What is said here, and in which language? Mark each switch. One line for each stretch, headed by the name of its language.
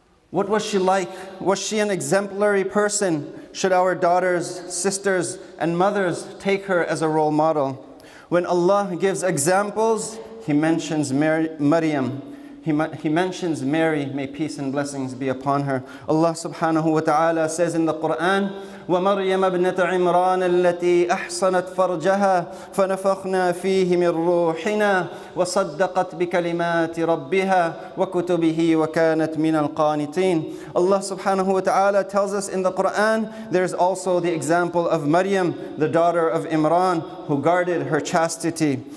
English: What was she like? Was she an exemplary person? Should our daughters, sisters, and mothers take her as a role model? When Allah gives examples, He mentions Maryam. he mentions Mary, may peace and blessings be upon her. Allah subhanahu wa ta'ala says in the Qur'an,
Arabic: وَمَرْيَمَ ابْنَةَ عِمْرَانَ الَّتِي أَحْصَنَتْ فَرْجَهَا فَنَفَخْنَا فِيهِ مِنْ رُوحِنَا وَصَدَّقَتْ بِكَلِمَاتِ رَبِّهَا وَكُتُبِهِ وَكَانَتْ مِنَ الْقَانِتِينَ.
English: Allah subhanahu wa ta'ala tells us in the Qur'an, there's also the example of Maryam, the daughter of Imran, who guarded her chastity.